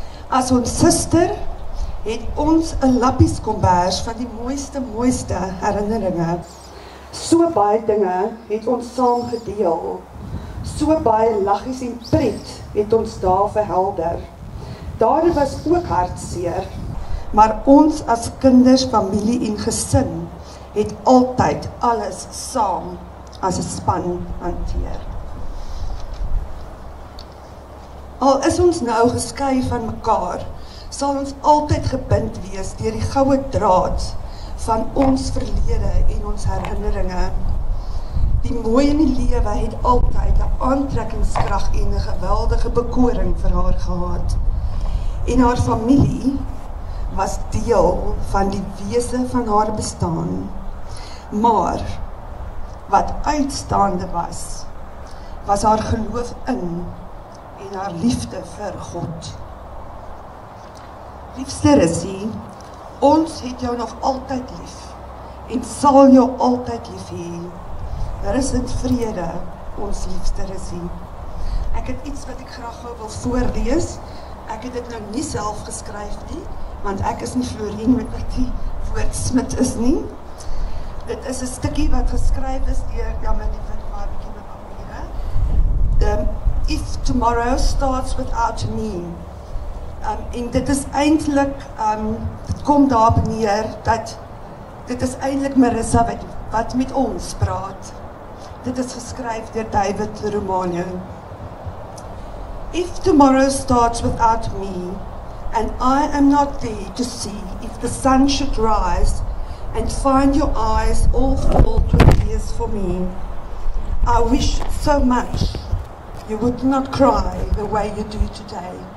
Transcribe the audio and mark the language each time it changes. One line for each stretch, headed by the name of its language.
Afrikaans: As ons sister, het ons een lappies kombers van die mooiste, mooiste herinneringe. So baie dinge het ons saam gedeel. So baie lachies en pret het ons daar verhelder. Daar was ook hartseer, maar ons as kinders, familie en gesin het altyd alles saam as 'n span hanteer. Al is ons nou geskei van mekaar, sal ons altyd gebind wees deur die goue draad van ons verlede en ons herinneringe. Die mooie in die lewe het altyd 'n aantrekkingskrag en 'n geweldige bekoring vir haar gehad. En haar familie was deel van die wese van haar bestaan. Maar wat uitstaande was, was haar geloof in en haar liefde vir God. Liefste Rissie, ons het jou nog altyd lief en sal jou altyd lief hê. Rus en vrede, ons liefste Rissie. Ek het iets wat ek graag gou wil voorlees. Ek het dit nou nie self geskryf nie, want ek is nie Florien met wat die woord smid is nie. Dit is een stukkie wat geskryf is deur Jamini van Marbeke met Amere.
English: If tomorrow starts without me.
Afrikaans: En dit is eindelijk, dit kom daarop neer, dat dit is eindelijk Marissa wat met ons praat. Dit is geskryf deur David Romano.
English: If tomorrow starts without me, and I am not there to see if the sun should rise and find your eyes all filled with tears for me, I wish so much you would not cry the way you do today.